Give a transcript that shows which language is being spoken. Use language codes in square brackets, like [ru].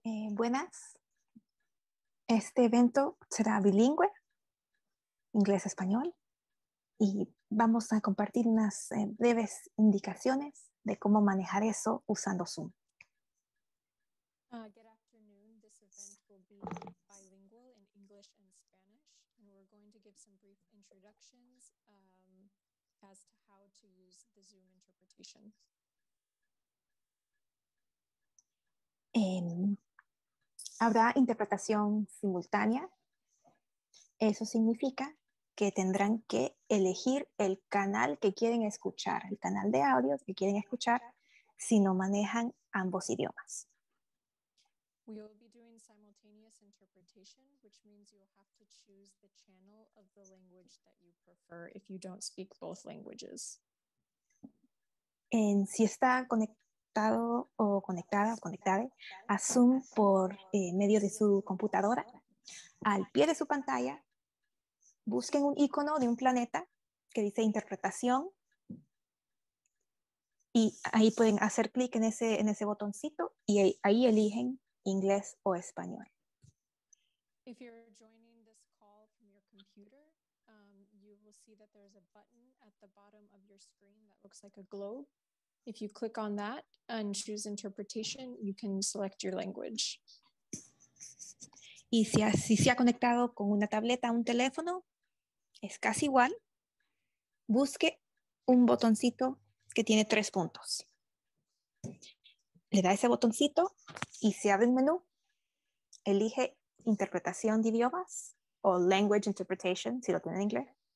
[es] Buenas. Este evento será bilingüe, inglés-español, y vamos a compartir unas breves indicaciones de cómo manejar eso usando Zoom. [en] Good afternoon. This event will be bilingual in English and Spanish, and we're going to give some brief introductions as to how to use the Zoom interpretation. [es] Habrá interpretación simultánea. Eso significa que tendrán que elegir el canal que quieren escuchar, el canal de audio que quieren escuchar, si no manejan ambos idiomas. [en] We will be doing simultaneous interpretation, which means you'll have to choose the channel of the language that you prefer if you don't speak both languages. [es] Si está conectado o conectada o conectada a Zoom por medio de su computadora, al pie de su pantalla, busquen un icono de un planeta que dice interpretación y ahí pueden hacer clic en ese botoncito y ahí eligen inglés o español. [en] If you're joining this call from your computer, you will will see that there's a button at the bottom of your screen that looks like a globe. If you click on that and choose interpretation, you can select your language. [es] Y si así se ha conectado con una tableta o un teléfono, es casi igual. Busque un botoncito que tiene tres puntos. Le da ese botoncito y se abre un menú. Elige interpretación de idiomas o [en] language interpretation, [es] si lo tiene en inglés.